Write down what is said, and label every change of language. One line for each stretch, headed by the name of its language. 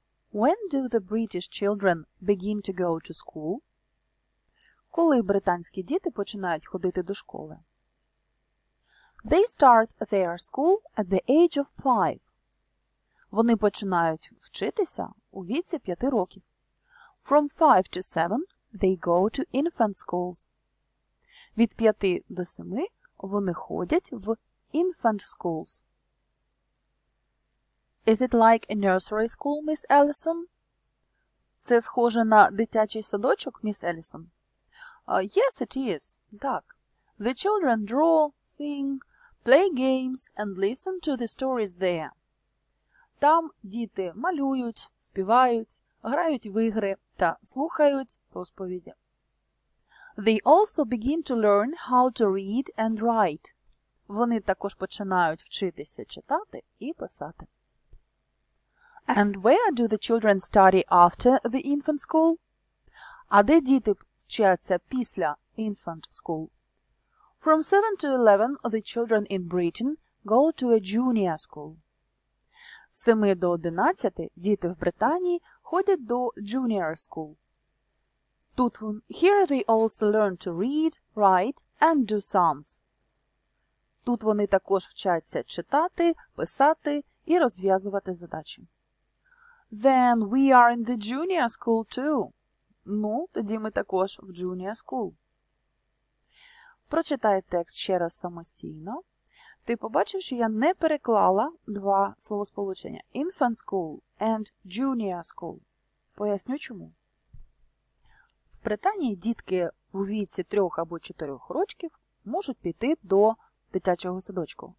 English: When do the British children begin to go to school?
Ukrainian: Коли британські діти починають ходити до школи?
English: They start their school at the age of 5.
Ukrainian: Вони починають вчитися у віці 5 років.
English: From 5 to 7 they go to infant schools.
Ukrainian: Від 5 до 7 вони ходять в infant schools.
English: Is it like a nursery school, Miss Allison?
Ukrainian: Це схоже на дитячий садочок, Miss Allison?
English: Yes, it is.
Ukrainian: Так.
English: The children draw, sing, play games and listen to the stories there.
Ukrainian: Там діти малюють, співають, грають в ігри та слухають розповіді.
English: They also begin to learn how to read and write.
Ukrainian: Вони також починають вчитися читати і писати.
English: And where do the children study after the infant school?
Ukrainian: А де діти вчаться після infant school?
English: From 7 to 11 the children in Britain go to a junior school.
Ukrainian: З 7 до 11 діти в Британії ходять до junior school. Тут
English: here they also learn to read, write and do sums.
Ukrainian: Тут вони також вчаться читати, писати і розв'язувати задачі.
English: Then we are in the junior school too.
Ukrainian: Ну, тоді ми також в junior school. Прочитай текст ще раз самостійно. Ти побачив, що я не переклала два словосполучення – infant school and junior school. Поясню, чому. В Британії дітки у віці 3 або 4 років можуть піти до дитячого садочку.